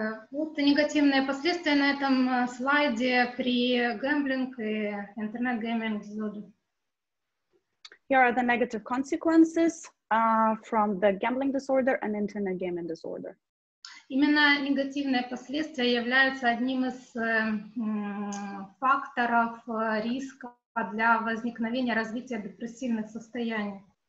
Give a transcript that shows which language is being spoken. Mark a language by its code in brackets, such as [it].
[ru] Вот негативные последствия на этом слайде при гэмблинг и интернет-гэмблинг. [en] Here are the negative consequences from the gambling disorder and internet gaming disorder. [ru] Именно негативные последствия являются одним из факторов риска для возникновения развития депрессивных состояний.